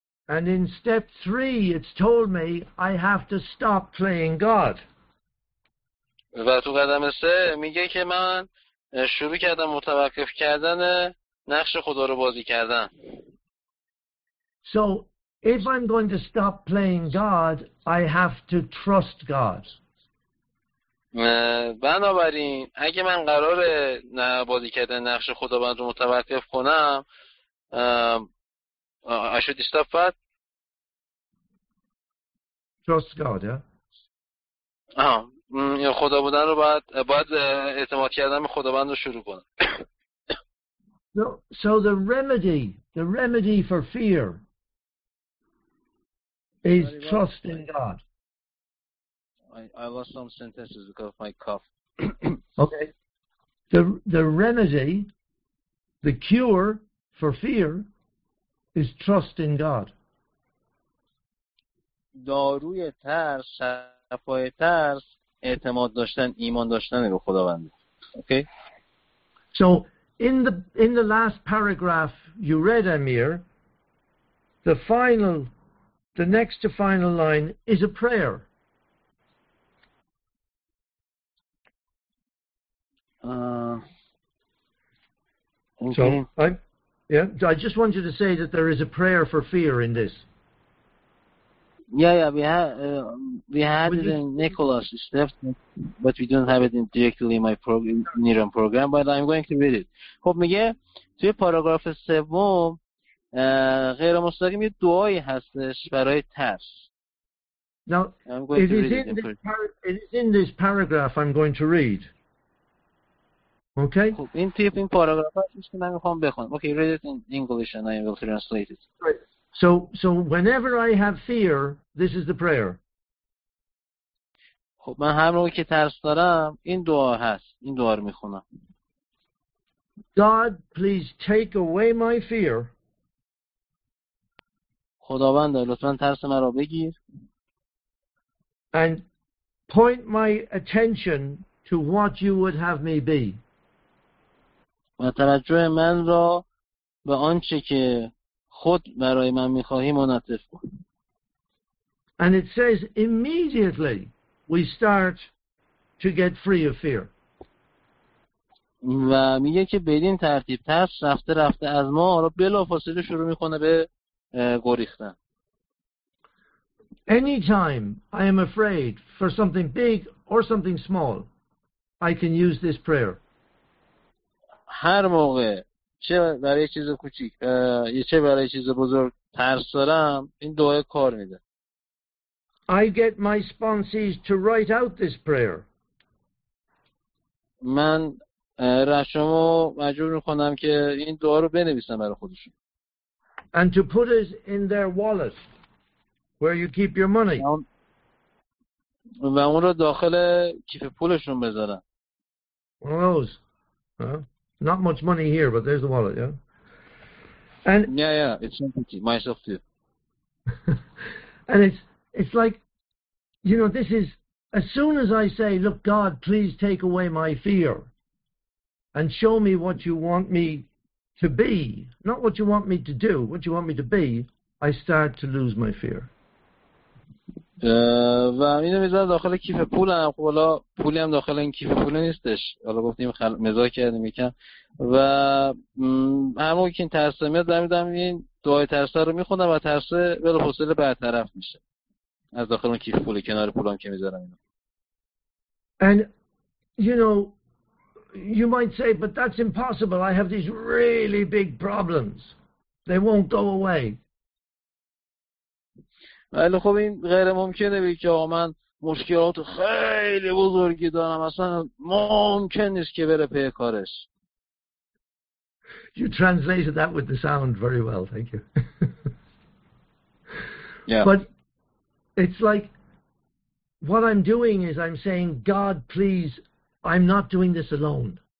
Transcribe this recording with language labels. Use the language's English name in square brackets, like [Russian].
[English] And in step 3 it's told me I have to stop playing God. [Persian] و تو قدم 3 میگه که من شروع کردم متوقف کردن نقش خدا رو بازی کردن. [English] So if I'm going to stop playing God, I have to trust God. [Persian] بنابراین اگه من قراره نه بازی کردن نقش خدا رو متوقف کنم [English] I should stop what? Trust God, yeah? [Persian] یا خدا بودن رو باید اعتماد کردن به خداوند رو شروع کنم. [English] So the remedy for fear is trust in God. I lost some sentences because of my cough. Okay. The remedy, the cure for fear, is trust in God. [Persian] داروی ترس، شفای ترس، اعتماد داشتن، ایمان داشتن به خداوند. [English] Okay. So in the last paragraph you read, Amir, the next to final line is a prayer. So I just want you to say that there is a prayer for fear in this. Yeah, we had it in Nicholas' statement, but we don't have it directly in my Niran program, but I'm going to read it. [Persian] خب میگه توی پاراگراف سوم غیر مستقیم یه دعایی هستش برای ترس. [English] Now, it is in this paragraph I'm going to read. Okay. [Persian] خب این توی این پاراگراف هستش که من میخوام بخونم. [English] Okay, read it in English and I will translate it. So whenever I have fear, this is the prayer. [Persian] خب من هر موقعی که ترس دارم این دعا هست. این دعا رو میخونم. [English] God, please take away my fear. [Persian] خداوند لطفا ترس مرا بگیر. [English] And point my attention to what you would have me be. [Persian] و توجه من را به آنچه که خود برای من می‌خواهی منعطف کن. [English] And it says immediately we start to get free of fear. [Persian] و میگه که بدین ترتیب ترس رفته رفته از ما را بلافاصله شروع می‌کنه به گریختن. [English] Anytime I am afraid for something big or something small, I can use this prayer. [Persian] هر موقع چه برای چیز کوچیک چه برای چیز بزرگ ترس دارم این دعای کار میده. [English] I get my sponsors to write out this prayer. [Persian] من رشمو مجبور میکنم که این دعا رو بنویسن برای خودشون. [English] And to put it in their wallet where you keep your money. [Persian] و اون رو داخل کیف پولشون بذارن. [English] Not much money here, but there's the wallet, yeah? Yeah, it's empty. Myself too. And it's like, you know, this is, as soon as I say, look, God, please take away my fear and show me what you want me to be, not what you want me to do, what you want me to be, I start to lose my fear. [Persian] و اینو میذارم داخل کیف پولم. خب حالا پولی هم داخل این کیف پول نیستش، حالا گفتیم مزاح کردیم یکم. و هر موقع که این ترس میاد میدم این دعای ترس رو میخونم و ترس بلافاصله برطرف میشه از داخل اون کیف پول کنار پولم که میذارم اینو. [English] And you know, you might say, but that's impossible, I have these really big problems, they won't go away. [Persian] ولی خب این غیر ممکنه بگی که آقا من مشکلات خیلی بزرگی دارم، اصلا ممکن نیست که بره پی کارش. [English] You translated that with the sound very well, thank you. Yeah. But it's like what I'm doing is I'm saying, God, please, I'm not doing this alone.